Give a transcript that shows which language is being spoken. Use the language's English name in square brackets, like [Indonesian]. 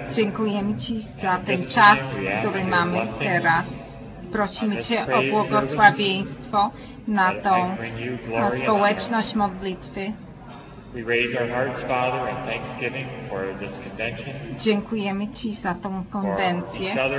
[Polish] Dziękujemy Ci za ten czas, który mamy teraz. Prosimy Cię o błogosławieństwo na tą społeczność modlitwy. [English] We raise our hearts, Father, in thanksgiving for this convention. [Polish] Dziękujemy Ci za tą konwencję,